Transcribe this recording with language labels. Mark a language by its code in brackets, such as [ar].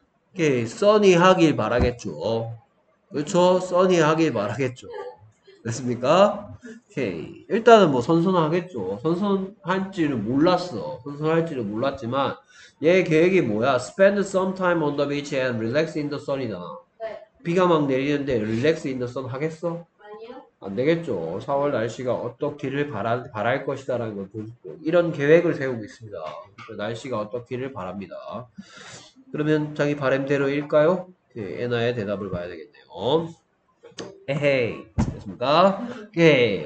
[ko] 오케이, 써니하길 바라겠죠. 그렇죠? 써니하길 바라겠죠. 됐습니까? 오케이, 일단은 뭐 선선하겠죠. 선선할지는 몰랐어. 선선할지는 몰랐지만 얘 계획이 뭐야? [en] Spend some time on the beach and relax in the sun이잖아. [ko] 비가 막 내리는데 [en] relax in the sun [ko] 하겠어? 안 되겠죠. 4월 날씨가 어떻기를 바랄 것이다 라는 걸 보여주고 이런 계획을 세우고 있습니다. 날씨가 어떻기를 바랍니다. 그러면 자기 바람대로일까요? 네, 에나의 대답을 봐야 되겠네요. 에헤이, 됐습니까? 오케이.